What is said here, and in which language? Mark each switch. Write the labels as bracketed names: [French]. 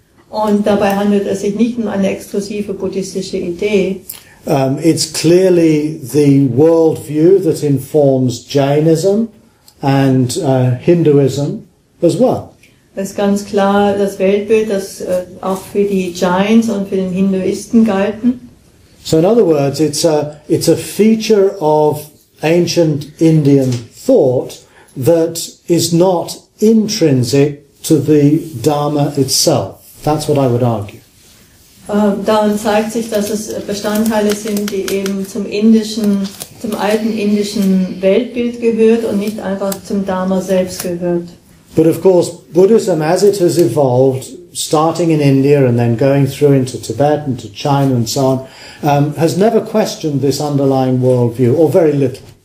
[German] Und dabei handelt es sich nicht um eine exklusive buddhistische Idee. [English] It's clearly the worldview that informs Jainism and Hinduism as well. [German] Es ist ganz klar das Weltbild, das auch für die Jains und für den Hinduisten galten. [English] So in other words, it's a feature of ancient Indian thought that is not intrinsic to the Dharma itself. That's what I would argue. [German] Daran zeigt sich, dass es Bestandteile sind, die eben zum alten indischen Weltbild gehört und nicht einfach zum Dharma selbst gehört. [English] But of course, Buddhism, as it has evolved, starting in India and then going through into Tibet and to China and so on, has never questioned this underlying worldview, or very little.